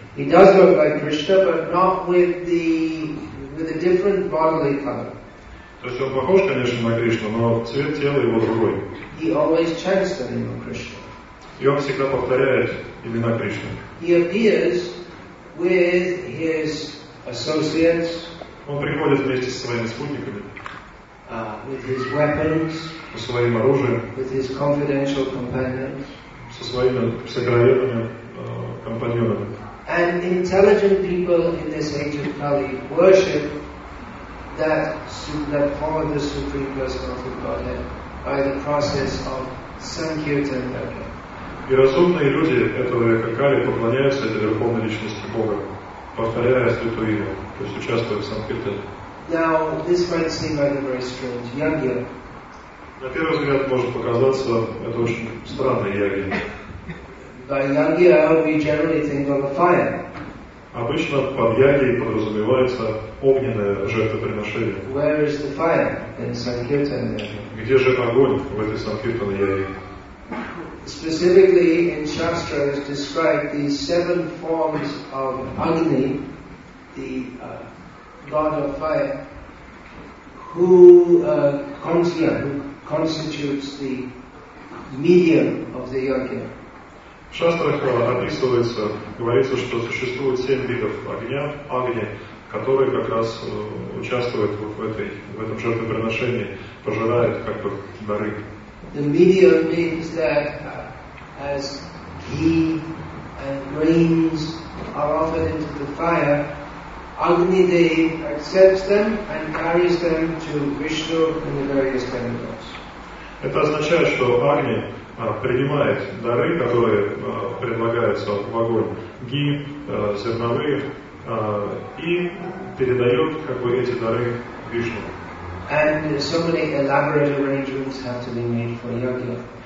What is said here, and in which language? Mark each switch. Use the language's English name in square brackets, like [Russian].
[English] He does look like Krishna, but not with a different bodily color. [Russian] То есть он похож, конечно, на Кришну, но цвет тела его другой. [English] He always chants the name of Krishna. [Russian] И он всегда повторяет имена Кришны. [English] He appears with his associates. [Russian] Он приходит вместе со своими спутниками. [English] With his weapons. [Russian] Со своим оружием. [English] With his confidential companions. [Russian] Со своими сокровенными компаньонами. [English] And intelligent people in this age of Kali worship that form of the Supreme Personality of Godhead by the process of Sankirtana. [Russian] И разумные люди этого века Кали поклоняются этой Верховной Личности Бога, повторяя Святое Имя, то есть участвуя в Санкхирте. На первый взгляд может показаться это очень странной ягьей. Обычно под ягьей подразумевается огненное жертвоприношение. Где же огонь в этой Санкхиртанной ягьей? [English] Specifically, in Shastras, describe these seven forms of Agni, the god of fire, who constitutes the medium of the yajna. [Russian] В Шастрах описывается, говорится, что существует семь видов огня, Агни, которые как раз участвуют вот в этом жертвоприношении, пожирают как бы дары. [English] The medium means that as ghee and grains are offered into the fire, Agni Dev accepts them and carries them to Vishnu and the various demigods. [Russian] Это означает, что Агни принимает дары, которые предлагаются в огонь, ги, зерновые, и передает как бы эти дары Вишну. [English] And so many elaborate arrangements have to be made for yajna.